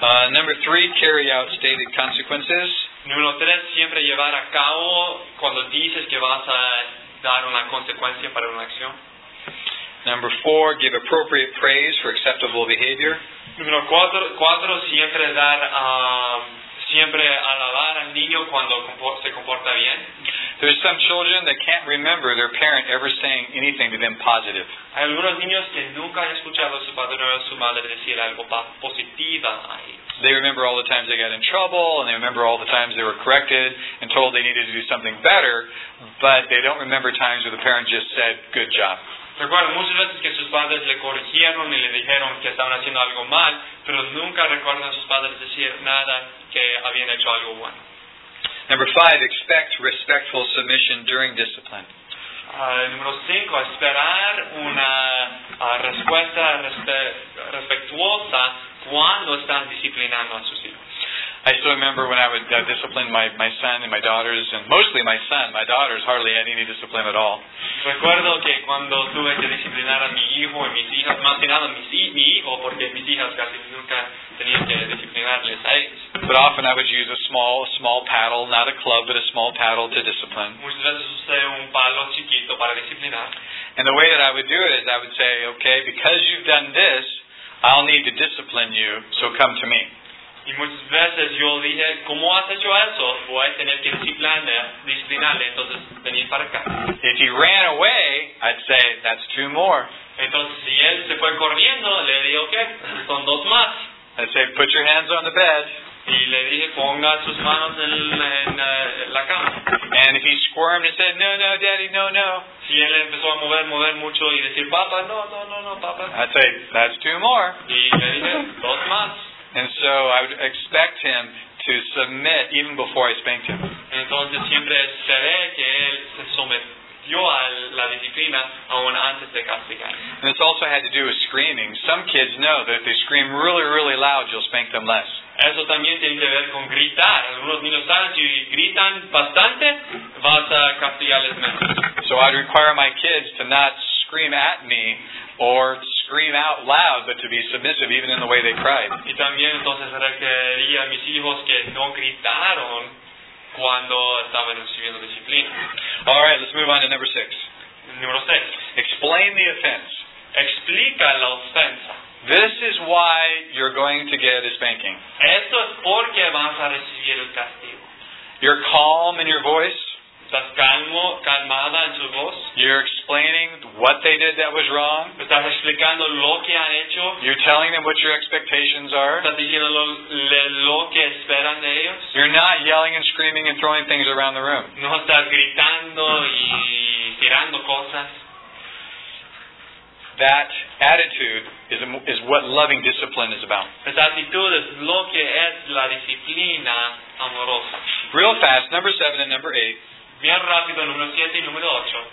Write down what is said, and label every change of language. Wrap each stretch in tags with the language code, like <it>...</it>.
<en>Number three, carry out stated consequences.</en> <es>Número tres, siempre llevar a cabo cuando dices que vas a dar una consecuencia para una acción.</es> <en>Number four, give appropriate praise for acceptable behavior.</en> <es>Número cuatro, siempre dar, siempre alabar al niño cuando se comporta bien.</es> <en>There's some children that can't remember their parent ever saying anything to them positive.</en> <es>Hay algunos niños que nunca han escuchado a su padre o a su madre decir algo positivo a ellos.</es> <en>They remember all the times they got in trouble, and they remember all the times they were corrected and told they needed to do something better, but they don't remember times where the parent just said, good job.</en> <es>Recuerdan muchas veces que sus padres le corrigieron y le dijeron que estaban haciendo algo mal, pero nunca recuerdan a sus padres decir nada que habían hecho algo bueno.</es> <en>Number five, expect respectful submission during discipline.</en> <es>Número cinco, esperar una respuesta respetuosa cuando están disciplinando a sus hijos.</es> <en>I still remember when I would discipline my son and my daughters, and mostly my son. My daughters hardly had any discipline at all.</en> <es>Recuerdo que cuando tuve que disciplinar a mi hijo y mis hijas, más que nada mi hijo, porque mis hijas casi nunca tenían que disciplinarles a ellos.</es> <en>But often I would use a small paddle, not a club, but a small paddle to discipline.</en> <es>Muchas veces usé un palo chiquito para disciplinar.</es> <en>And the way that I would do it is I would say, okay, because you've done this, I'll need to discipline you, so come to me.</en> <es>Y muchas veces yo dije, ¿cómo has hecho eso? Voy a tener que disciplinarle, entonces venir para acá.</es> <en>If he ran away, I'd say, that's two more.</en> <es>Entonces, si él se fue corriendo, le dije, okay, son dos más.</es> <en>I'd say, put your hands on the bed.</en> <es>Y le dije, ponga sus manos en la cama.</es> <en>And if he squirmed and said, no, no, daddy, no, no.</en> <es>Si él empezó a mover mucho y decir, papá, no, no, no, no, papá.</es> <en>I'd say, that's two more.</en> <es>Y le dije, dos más.</es> <en>And so I would expect him to submit even before I spanked him.</en> <es>Entonces siempre esperé que él se sometió a la disciplina aún antes de castigar.</es> <en>And this also had to do with screaming. Some kids know that if they scream really, really loud, you'll spank them less.</en> <es>Eso también tiene que ver con gritar. Algunos niños saben si gritan bastante, vas a castigarles menos.</es> <en>So I'd require my kids to not scream at me or scream out loud, but to be submissive, even in the way they cried.</en> <es>Y también entonces requería a mis hijos que no gritaron cuando estaban recibiendo disciplina.</es> <en>All right, let's move on to number six.</en> <es>Número seis.</es> <en>Explain the offense.</en> <es>Explica la ofensa.</es> <en>This is why you're going to get a spanking.</en> <es>Esto es porque vas a recibir el castigo.</es> <en>You're calm in your voice.</en> <es>Estás calmo, calmada en su voz.</es> <en>You're explaining what they did that was wrong.</en> <es>Estás explicando lo que han hecho.</es> <en>You're telling them what your expectations are.</en> <es>Estás diciendo lo que esperan de ellos.</es> <en>You're not yelling and screaming and throwing things around the room.</en> <es>No estás gritando y tirando cosas.</es> <en>That attitude is what loving discipline is about.</en> <es>Esa actitud es lo que es la disciplina amorosa.</es> <en>Real fast, number seven and number eight.</en> <es>Bien rápido, número 7 y número 8.</es>